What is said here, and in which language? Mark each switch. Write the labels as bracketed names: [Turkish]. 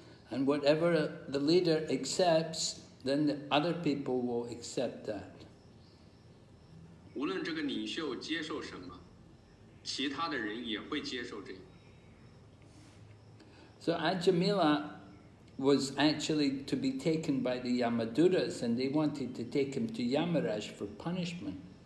[English] And whatever the leader accepts, then the other people will accept that. [Chinese] 无论这个领袖接受什么，其他的人也会接受这个。So [English] Ajamila was actually to be taken by the Yamadutas, and they wanted to take him to Yamaraj for punishment.